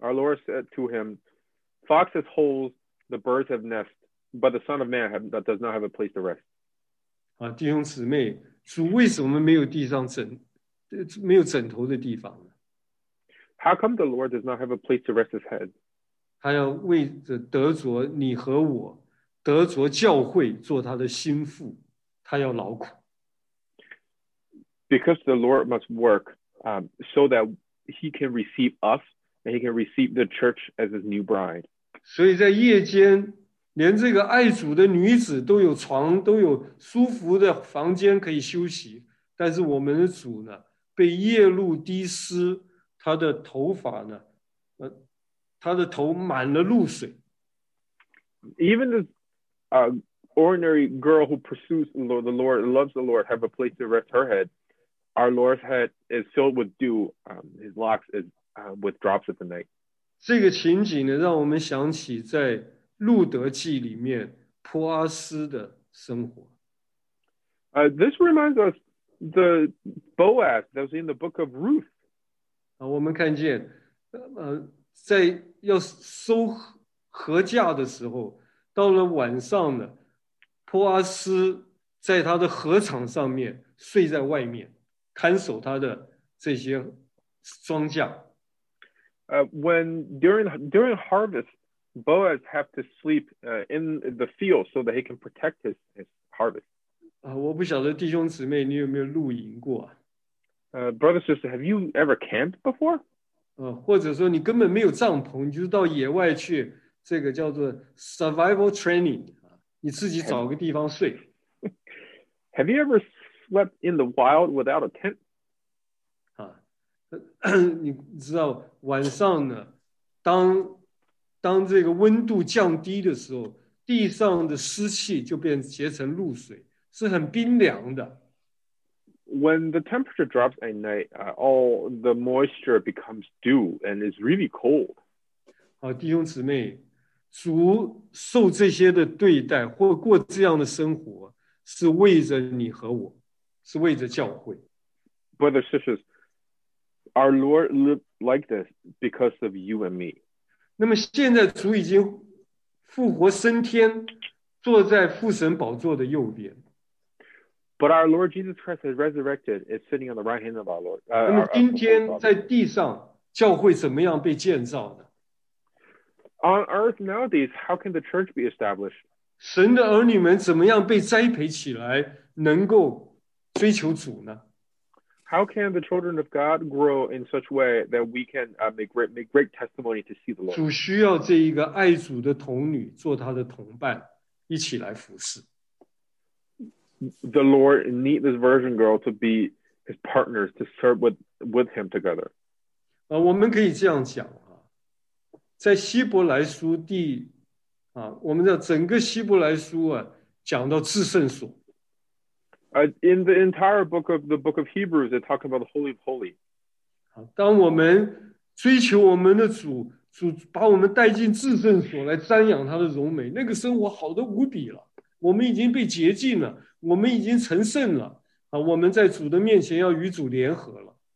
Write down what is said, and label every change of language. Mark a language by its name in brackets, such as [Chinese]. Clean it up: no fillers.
[English] Our Lord said to him, "Foxes holes, the birds have nests, but the Son of Man does not have a place to rest." [Chinese] 弟兄姊妹，主为什么没有地上枕，没有枕头的地方？ [English] How come the Lord does not have a place to rest his head? [Chinese] 他要为着得着你和我，得着教会做他的心腹，他要劳苦。 [English] Because the Lord must work, so that he can receive us and he can receive the church as his new bride. [Chinese] 所以在夜间，连这个爱主的女子都有床，都有舒服的房间可以休息，但是我们的主呢，被夜露滴湿。他的头发呢？他的头满了露水。 [English] Even the ordinary girl who pursues the Lord, loves the Lord, have a place to rest her head. Our Lord's head is filled with dew. His locks is with drops of the night. [Chinese] 这个情景呢，让我们想起在《路德记》里面波阿斯的生活。 [English] This reminds us the Boaz that was in the book of Ruth. [Chinese] 我们看见，在要收禾稼的时候，到了晚上呢，波阿斯在他的禾场上面睡在外面，看守他的这些庄稼。 [English] When during harvest, Boaz have to sleep in the field so that he can protect his harvest. [Chinese] 我不晓得弟兄姊妹你有没有露营过啊？ [English] Brother, sister, have you ever camped before? [Chinese] 或者说你根本没有帐篷，你就到野外去，这个叫做 survival training， 你自己找个地方睡。 [English] Have you ever slept in the wild without a tent? [Chinese] 你知道晚上呢，当这个温度降低的时候，地上的湿气就变结成露水，是很冰凉的。 [English] When the temperature drops at night, all the moisture becomes dew and is really cold. [Chinese] 好，弟兄姊妹，主受这些的对待或过这样的生活，是为着你和我，是为着教会。 [English] Brothers, sisters, our Lord lived like this because of you and me. [Chinese] 那么现在主已经复活升天，坐在父神宝座的右边。 [English] But our Lord Jesus Christ has resurrected, is sitting on the right hand of our Lord. [Chinese] 那么今天在地上，教会怎么样被建造呢？ [English] On earth nowadays, how can the church be established? [Chinese] 神的儿女们怎么样被栽培起来，能够追求主呢？ [English] How can the children of God grow in such a way that we can make great testimony to see the Lord? [Chinese] 主需要这一个爱主的童女做他的同伴，一起来服侍。 [English] The Lord needs this virgin girl to be his partners to serve with him together. [Chinese] 我们可以这样讲啊，在希伯来书第啊，我们的整个希伯来书啊，讲到至圣所。 [English] In the entire book of the book of Hebrews, it talks about the Holy of Holies. [Chinese] 当我们追求我们的主，主把我们带进至圣所来瞻仰他的荣美，那个生活好得无比了。我们已经被洁净了。我们已经成圣了，我们在主的面前要与主联合了。